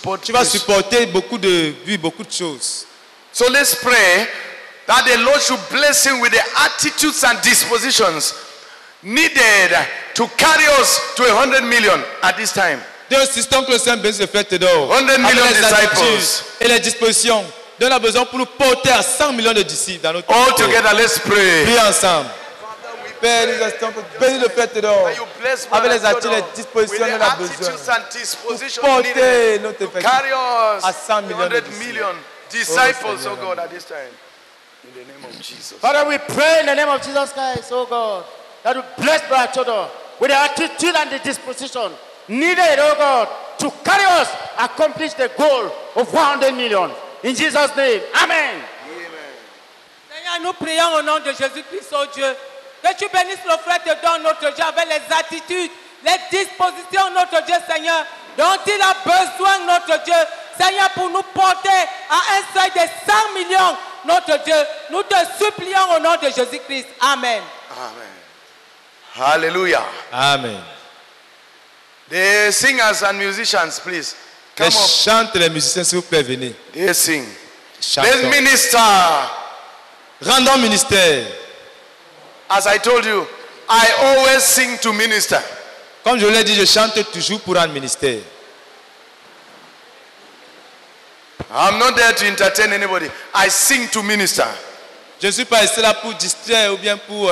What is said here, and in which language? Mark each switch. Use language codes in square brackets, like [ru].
[fr] Tu vas supporter beaucoup de vie, beaucoup de choses. [en] So let's pray that the Lord should bless him with the attitudes and dispositions needed to carry us to 100 million at this time. [fr] Dieu insiste que le Seigneur bénisse le frère Théodore. [en] 100 million disciples. [fr] Et les dispositions dont il a besoin pour nous porter à 100 millions de disciples dans notre [en] All temps. Together, let's pray. [fr] Prions ensemble. [en] Father, we [fr] Père, nous assistons pour bénir le Père Théodore avec les attitudes et dispositions dont il a besoin pour porter notre effectif à 100 millions de [en] disciples, oh God, at this time. In the name of Jesus. Father, we pray in the name of Jesus Christ, oh God, that you bless Brother Theodore with the attitude and the disposition needed, oh God, to carry us, accomplish the goal of 100 million. In Jesus' name, amen. Amen. [fr] Seigneur, nous prions au nom de Jésus-Christ, oh Dieu, que tu bénisses le frère de Don, notre Dieu, avec les attitudes, les dispositions, notre Dieu, Seigneur, dont il a besoin, notre Dieu, Seigneur, pour nous porter à un seuil de 100 millions, notre Dieu. Nous te supplions au nom de Jésus-Christ. Amen. Amen. Alléluia. Amen. [en] The singers and musicians, please. [fr] Les chantes, les musiciens, s'il vous plaît, venez. [en] They sing. [fr] Les ministres. Rendons ministère. [en] As I told you, I always sing to minister. [fr] Comme je l'ai dit, je chante toujours pour un ministère. [en] I'm not there to entertain anybody. I sing to minister. [fr] Je ne suis pas ici là pour distraire ou bien pour.